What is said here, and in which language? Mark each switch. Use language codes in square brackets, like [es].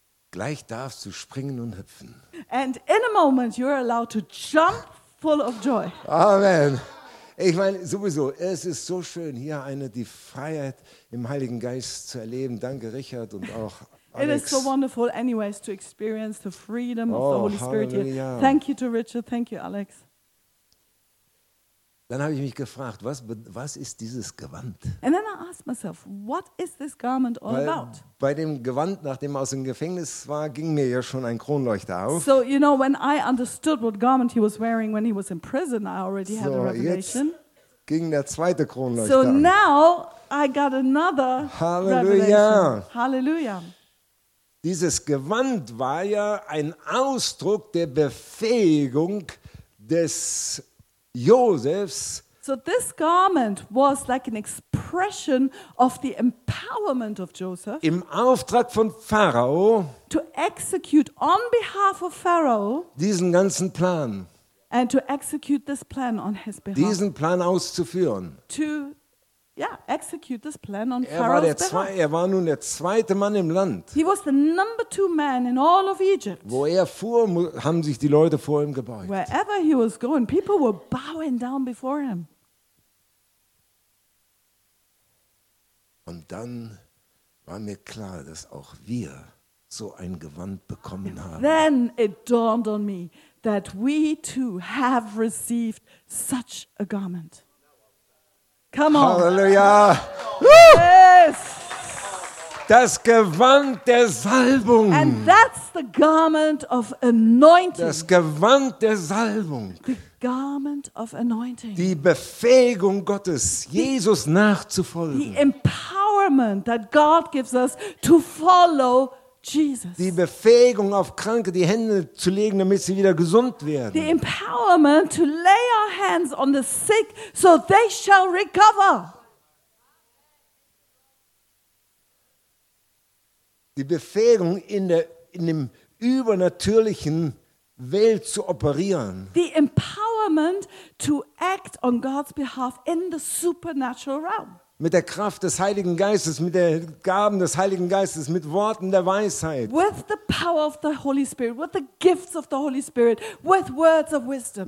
[de] Gleich darfst du springen und hüpfen. [en] And in a moment you are allowed to jump full of joy. Amen. [de] Ich meine, sowieso, es ist so schön, hier die Freiheit im Heiligen Geist zu erleben. Danke, Richard, und auch Alex. [en] It is so wonderful anyways to experience the freedom of the Holy Spirit here. Thank you to Richard, thank you, Alex. [de] Dann habe ich mich gefragt, was ist dieses Gewand? [en] And then I asked myself, what is this garment all about? [de] Bei dem Gewand, nachdem er aus dem Gefängnis war, ging mir ja schon ein Kronleuchter auf. [en] So, you know, when I understood what garment he was wearing when he was in prison, I already had a revelation. [de] So, jetzt ging der zweite Kronleuchter. [en] So now I got another Halleluja. Revelation. Halleluja. [de] Dieses Gewand war ja ein Ausdruck der Befähigung des Josephs. [en] So this garment was like an expression impression of the empowerment of Joseph. [de] Im Auftrag von Pharao. [en] To execute on behalf of Pharaoh. [de] Diesen ganzen Plan. [en] And to execute this plan on his behalf. [de] Diesen Plan auszuführen. [en] To execute this plan on Pharaoh's behalf. [de] Er war nun der zweite Mann im Land. [en] He was the number two man in all of Egypt. [de] Wo er fuhr, haben sich die Leute vor ihm gebeugt. [en] Wherever he was going, people were bowing down before him. [de] Und dann war mir klar, dass auch wir so ein Gewand bekommen haben. [en] Then it dawned on me that we too have received such a garment. Come on. Hallelujah. Yes. [de] Das Gewand der Salbung. [en] And that's the garment of anointing. [de] Das Gewand der Salbung. [en] The garment of anointing. [de] Die Befähigung Gottes, Jesus nachzufolgen. [en] The empowerment that God gives us to follow Jesus. [de] Die Befähigung, auf Kranke die Hände zu legen, damit sie wieder gesund werden. [en] The empowerment to lay our hands on the sick so they shall recover. [de] Die Befähigung in dem übernatürlichen Welt zu operieren. [en] The empowerment to act on God's behalf in the supernatural realm. [de] Mit der Kraft des Heiligen Geistes, mit den Gaben des Heiligen Geistes, mit Worten der Weisheit. [en] With the power of the Holy Spirit, with the gifts of the Holy Spirit, with words of wisdom.